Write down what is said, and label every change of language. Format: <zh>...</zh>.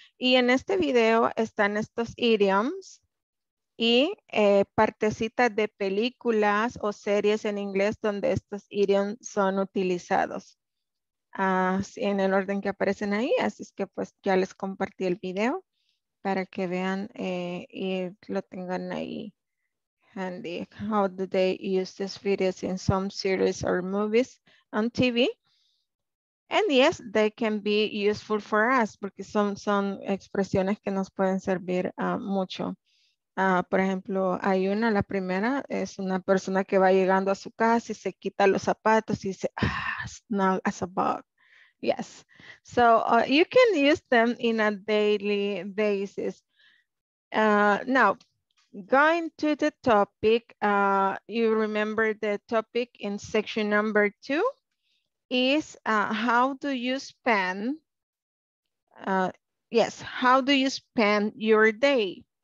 <es>Y en este video están estos idioms y partecitas de películas o series en inglés donde estos idioms son utilizados. En el orden que aparecen ahí. Así es que pues ya les compartí el video para que vean y lo tengan ahí handy.</es> <en>How do they use these videos in some series or movies on TV? And yes, they can be useful for us</en> <es>porque son expresiones que nos pueden servir mucho. Por ejemplo, hay una, la primera, es una persona que va llegando a su casa y se quita los zapatos y dice, ah,</es> <en>snug as a bug. Yes, so you can use them in a daily basis. Now, going to the topic, you remember the topic in section number two is how do you spend, how do you spend your day?</en>